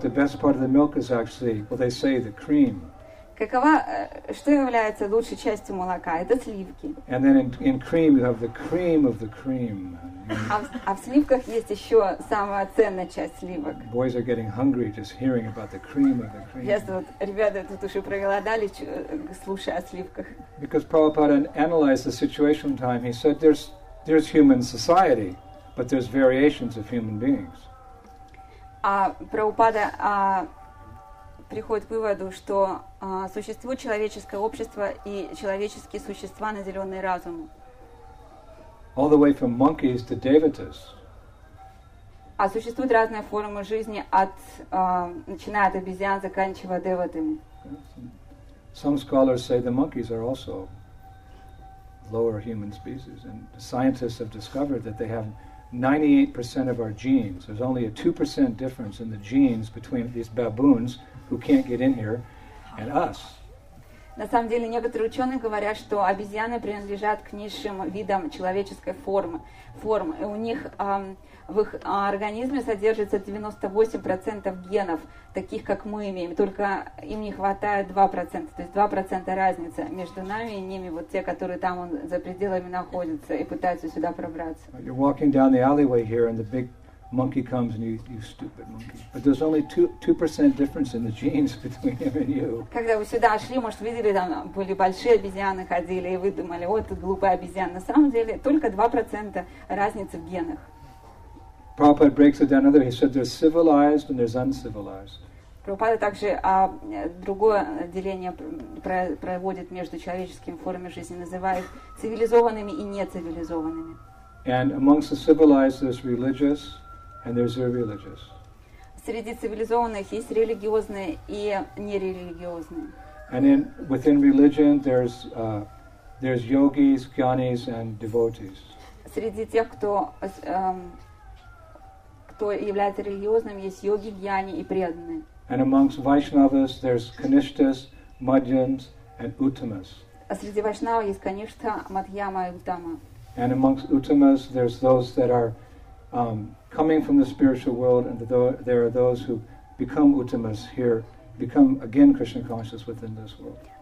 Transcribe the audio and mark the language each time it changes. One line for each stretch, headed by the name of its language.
English: The best part of the milk is actually, well, they say the cream.
Russian: Что является лучшей частью молока? Это сливки.
English: And then in cream you have the cream of the cream.
Russian: А в сливках есть еще самая ценная часть сливок.
English: Boys are getting hungry just hearing about the cream of the cream.
Russian: Yes, вот ребята тут уже проголодались, слушая о сливках.
English: Because Prabhupada analyzed the situation time, he said there's human society. But there's variations of human beings.
Russian: Прабхупада приходит к выводу, что существует человеческое общество и человеческие существа, наделенные разумом.
English: All the way from monkeys to devatas.
Russian: А существуют разные формы жизни, начиная от обезьян, заканчивая деватами.
English: Some scholars say the monkeys are also lower human species, and scientists have discovered that they have 98% of our genes. There's only a 2% difference in the genes between these baboons who can't get in here and us.
Russian: На самом деле, некоторые ученые говорят, что обезьяны принадлежат к низшим видам человеческой формы. И у них в их организме содержится 98% генов, таких как мы имеем. Только им не хватает 2%. То есть 2% разница между нами и ними, вот те, которые там за пределами находятся и пытаются сюда пробраться.
English: You're walking down the alleyway here and the big monkey comes and you stupid monkey. But there's only 2% difference in the genes between him and you.
Russian: Когда вы сюда шли, может, видели, там были большие обезьяны, ходили, и вы думали, вот тут глупая обезьяна. На самом деле только 2% разницы в генах.
English: Prabhupada breaks it down another way. He said there's civilized and there's uncivilized.
Russian: Прабхупада также другое деление проводит между человеческими формами жизни, называет цивилизованными и нецивилизованными.
English: And amongst the civilized there's religious and there's irreligious.
Russian: Среди цивилизованных есть религиозные и нерелигиозные.
English: And in, within religion there's there's yogis, jnanis and devotees.
Russian: Среди тех, кто кто является религиозным, есть йоги, джняни и преданные.
English: And amongst Vaishnavas there's kanishthas, madhyams and uttamas.
Russian: А среди вайшнава есть каништа, мадхьяма и уттама.
English: And amongst uttamas there's those that are coming from the spiritual world and there are those who become uttamas here, become again Krishna conscious within this world.